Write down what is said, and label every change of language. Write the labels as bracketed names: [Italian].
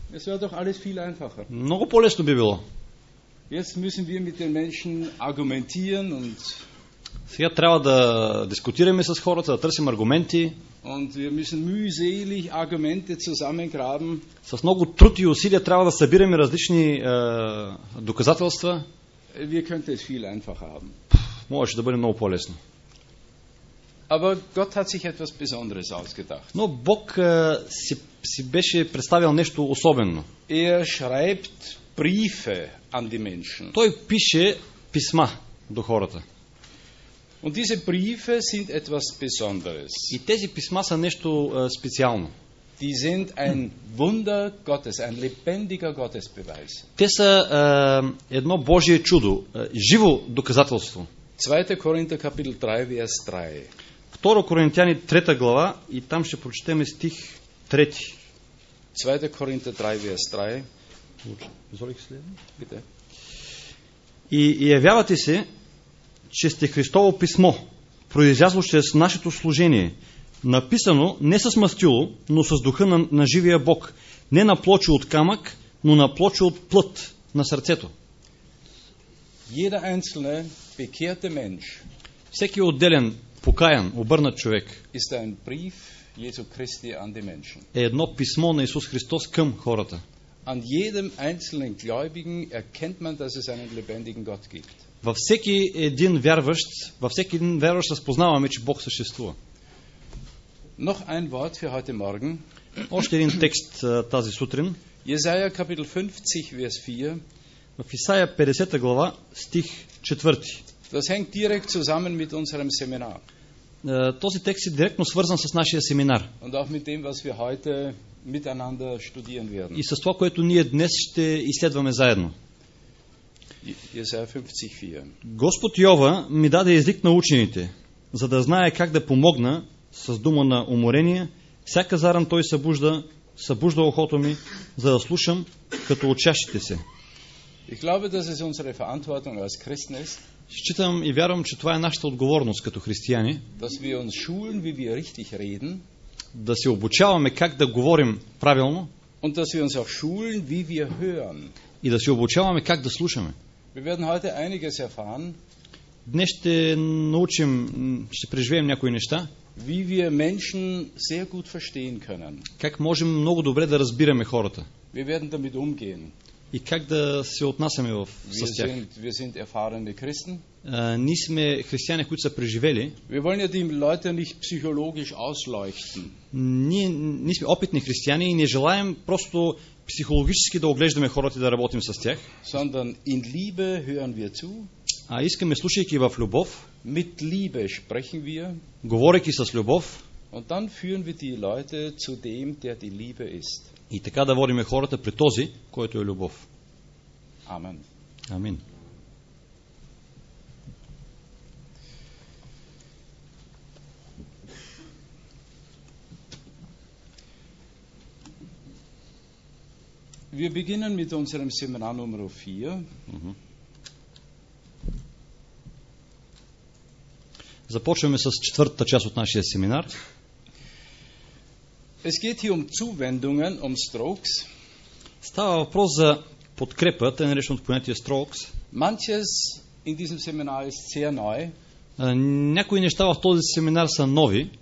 [German] Es wäre doch alles viel einfacher. [Bulgarian] Много по-лесно би било. [German] Jetzt müssen wir mit den Menschen argumentieren und [Bulgarian] сега трябва да дискутираме с хората, да търсим аргументи. [German] Und wir müssen mühselig Argumente zusammengraben. [Bulgarian] С много труд и усилия трябва да събираме различни доказателства. [German] Wir könnten es viel einfacher haben. [Bulgarian] Можеше да бъде много по-лесно. [German] Aber Gott hat sich etwas Besonderes ausgedacht. [Bulgarian] Но Бог си беше представил нещо особено. [German] Er schreibt Briefe an die Menschen. [Bulgarian] Той пише писма до хората. [German] Und diese Briefe sind etwas Besonderes. [Bulgarian] И тези писма са нещо специално. [German] Die sind ein Wunder Gottes, ein lebendiger Gottesbeweis. [Bulgarian] Те са едно Божие чудо, живо доказателство. 2 Коринтяни капитул 3 vers 3. 2 Коринтяни 3 глава и там ще прочетем стих 3. 2 Коринтяни 3 vers 3. И явявате се, че сте Христово писмо, произлязло чрез нашето служение, написано не с мастило, но с духа на живия Бог, не на плочо от камък, но на плочо от плът на сърцето. [German] Jeder einzelne bekehrte Mensch, [Bulgarian] всеки отделен, покаян, обърнат човек [German] ist ein Brief Jesu Christi an die Menschen. [Bulgarian] Е едно писмо на Исус Христос към хората. [German] An jedem einzelnen Gläubigen erkennt man, dass es einen lebendigen Gott gibt. [Bulgarian] Във всеки един вярващ разпознаваме, че Бог съществува. [German] Noch ein Wort für heute Morgen. [Bulgarian] Още един текст тази сутрин. [German] Jesaja Kapitel 50, Vers 4. [Bulgarian] В Исаия 50 глава, стих 4. [German] Das hängt direkt zusammen mit unserem Seminar. [Bulgarian] Този текст е директно свързан с нашия семинар. [German] Und auch mit dem, was wir heute miteinander studieren werden. [Bulgarian] И с това, което ние днес ще изследваме заедно. [German] Jesaja 50:4. [Bulgarian] Господ Йова ми даде език на учените, за да знае как да помогна с дума на уморение. Всяка заран той събужда ухото ми, за да слушам като учащите се. [German] Ich glaube, dass es unsere Verantwortung als Christen ist. [Bulgarian] Считам и вярвам, че това е нашата отговорност като християни. [German] Dass wir uns schulen, wie wir richtig reden. [Bulgarian] Да се обучаваме как да говорим правилно. [German] Und dass wir uns auch schulen, wie wir hören. [Bulgarian] И да се обучаваме как да слушаме. [German] Wir werden heute einiges erfahren. [Bulgarian] Днес ще научим, ще преживеем някои неща. [German] Wie wir Menschen sehr gut verstehen können. [Bulgarian] Как можем много добре да разбираме хората. [German] Wir werden damit umgehen. [Bulgarian] И как да се отнасяме в с тях. [German] Wir sind erfahrene Christen. [Bulgarian] Ние сме християни, които са преживели. [German] Wir wollen ja die Leute nicht psychologisch ausleuchten. [Bulgarian] Ние сме опитни християни и не желаем просто психологически да оглеждаме хората и да работим с тях. [German] Sondern in Liebe hören wir zu. [Bulgarian] А искаме, слушайки в любов, [German] mit Liebe sprechen wir, [Bulgarian] говорейки с любов, [German] und dann führen wir die Leute zu dem, der die Liebe ist. [Bulgarian] И така да водиме хората при този, който е любов. Амен. Амин. [German] Wir beginnen mit unserem Seminar Nummer 4. [Bulgarian] Започваме с четвъртата част от нашия семинар. [German] Es geht hier um Zuwendungen, um Strokes. [Bulgarian] Става въпрос за подкрепа, тъй нареченото понятие Strokes. [German] Manches in diesem Seminar ist sehr neu. [Bulgarian] Някои неща в този семинар са нови.